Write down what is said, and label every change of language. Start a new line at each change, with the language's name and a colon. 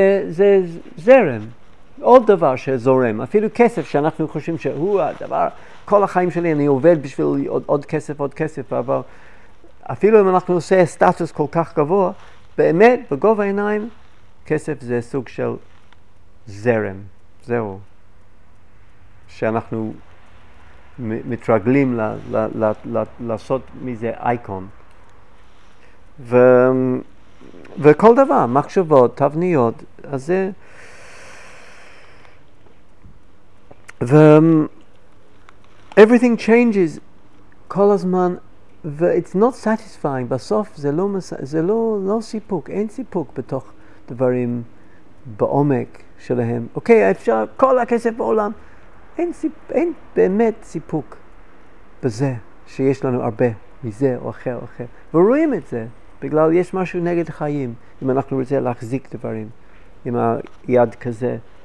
Hebrew: זה זרם. עוד דבר שזורם, אפילו כסף שאנחנו חושבים שהוא הדבר, כל החיים שלי אני עובד בשביל עוד כסף, אבל אפילו אם אנחנו עושה סטטוס כל כך גבוה, באמת בגובה עיניים כסף זה סוג של זרם, זהו, שאנחנו מתרגלים לעשות מזה אייקון. וכל דבר, מחשבות, תבניות, אז זה.
English: Everything changes
Hebrew: כל הזמן,
English: it's not satisfying.
Hebrew: בסוף זה לא סיפוק, אין סיפוק בתוך דברים בעומק שלהם. אוקיי, אפשר כל הכסף בעולם, אין באמת סיפוק בזה שיש לנו הרבה מזה או אחר או אחר, ורואים את זה בגלל יש משהו נגד חיים אם אנחנו רוצים להחזיק דברים עם היד כזה.